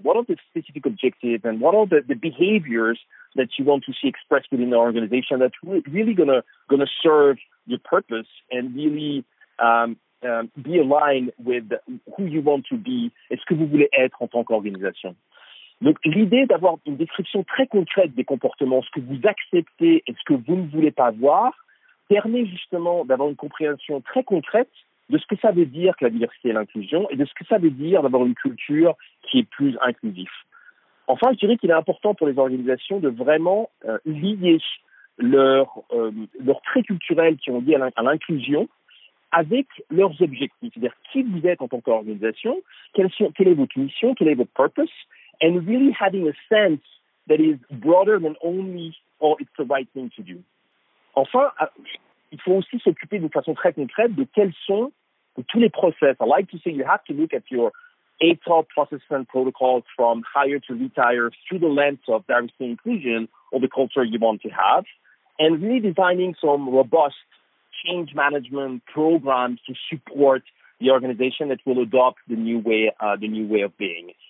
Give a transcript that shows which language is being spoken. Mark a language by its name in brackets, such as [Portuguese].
[English] What are the specific objectives and what are the behaviors that you want to see expressed within the organization that's really gonna serve your purpose and really be aligned with who you want to be, [French] est-ce que vous voulez être en tant qu'organisation. Donc, l'idée d'avoir une description très concrète des comportements, ce que vous acceptez et ce que vous ne voulez pas voir, permet justement d'avoir une compréhension très concrète de ce que ça veut dire que la diversité et l'inclusion et de ce que ça veut dire d'avoir une culture qui est plus inclusive. Enfin, je dirais qu'il est important pour les organisations de vraiment lier leur traits culturels qui ont lié à l'inclusion avec leurs objectifs, c'est-à-dire qui vous êtes en tant qu'organisation, quelle est votre mission, quel est votre purpose, [English] and really having a sense that is broader than only or it's the right thing to do. [French] Enfin, il faut aussi s'occuper d'une façon très concrète de quels sont de tous les process. [English] I like to say you have to look at your HR process and protocols from hire to retire through the lens of diversity and inclusion or the culture you want to have, and really designing some robust change management programs to support the organization that will adopt the new way of being.